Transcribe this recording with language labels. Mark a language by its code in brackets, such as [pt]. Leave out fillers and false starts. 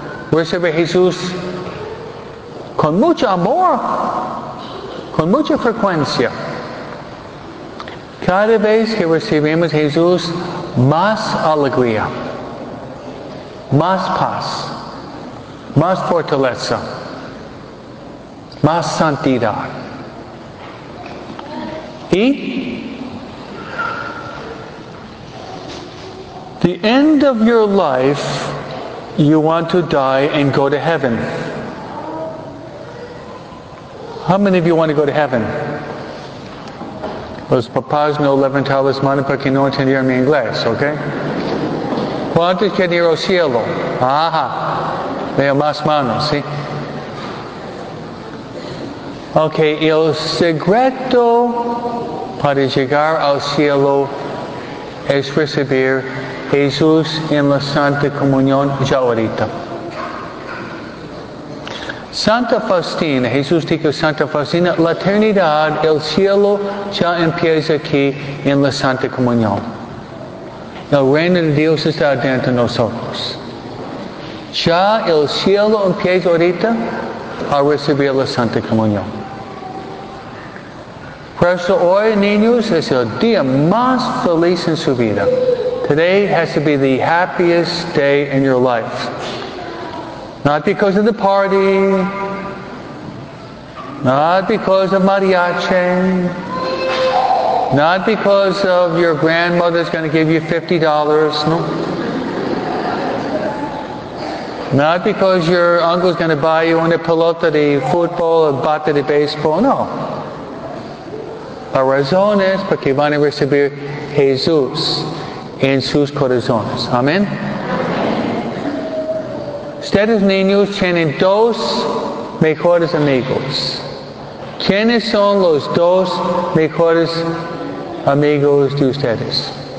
[es] Recibe a Jesús con mucho amor, con mucha frecuencia. Cada vez que recibimos a Jesús, más alegría, más paz, más fortaleza, más santidad. [en] Y the end of your life, you want to die and go to heaven. How many of you want to go to heaven? [es] Los papás no levan talas manos porque no entendieron mi inglés, ¿ok? ¿Cuántos quieren ir al cielo? Ajá. Veo más manos, ¿sí? Ok, el secreto para llegar al cielo es recibir Jesús en la Santa Comunión ya ahorita. Santa Faustina, Jesús dijo Santa Faustina, la eternidad, el cielo ya empieza aquí en la Santa Comunión. El reino de Dios está dentro de nosotros. Ya el cielo empieza ahorita a recibir la Santa Comunión. Por eso hoy, niños, es el día más feliz en su vida. [en] Today has to be the happiest day in your life. Not because of the party, not because of mariachi, not because of your grandmother's going to give you $50, no. Not because your uncle's going to buy you [es] una pelota de [en] football or [es] bate de [en] baseball, no. [es] La razón es porque van a recibir Jesús en sus corazones. Amén. Ustedes niños tienen dos mejores amigos. ¿Quiénes son los dos mejores amigos de ustedes?